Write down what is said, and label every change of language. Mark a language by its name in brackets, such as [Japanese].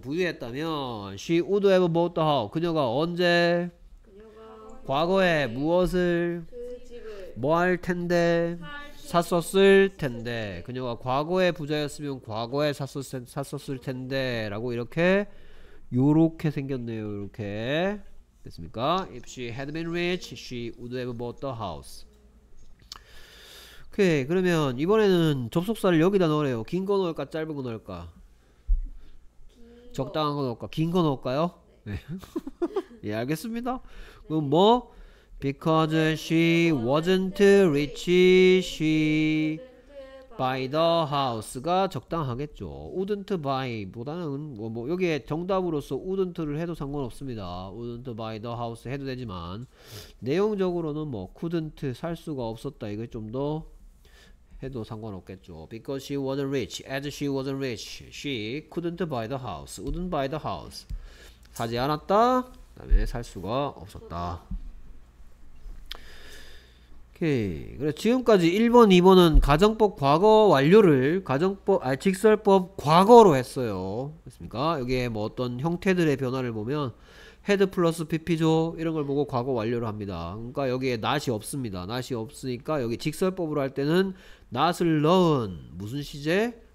[Korean] 부유했다면 [English] she would have bought the house. [Korean] 그녀가 언제 그녀가 과거에 무엇을 뭐 할 텐데 샀었을 텐데 그녀가 과거에 부자였으면 과거에 샀었을 텐데 라고 이렇게 요렇게 생겼네요. 이렇게 됐습니까? [English] If she had been rich, she would have bought the house. [Korean] 오케이 그러면 이번에는 접속사를 여기다 넣으래요 긴 거 넣을까 짧은 거 넣을까 적당한 거 넣을까 긴 거 넣을까요? 네. 예 알겠습니다 그럼 뭐 [English] Because she wasn't rich she buy the house [Korean] 가 적당하겠죠 wouldn't buy 보다는 뭐 여기에 정답으로서 wouldn't를 해도 상관없습니다 [English] wouldn't buy the house [Korean] 해도 되지만 내용적으로는 뭐 couldn't 살 수가 없었다 이게 좀 더 해도 상관없겠죠. [English] Because she wasn't rich, as she wasn't rich, she couldn't buy the house, wouldn't buy the house. [Korean] 사지 않았다. 그다음에 살 수가 없었다. 오케이. 그래 지금까지 1번, 2번은 가정법 과거 완료를 가정법 아니 직설법 과거로 했어요. 됐습니까? 여기에 뭐 어떤 형태들의 변화를 보면 head 플러스 pp죠 이런 걸 보고 과거 완료를 합니다 그러니까 여기에 not이 없습니다 not이 없으니까 여기 직설법으로 할 때는 not을 넣은 무슨 시제?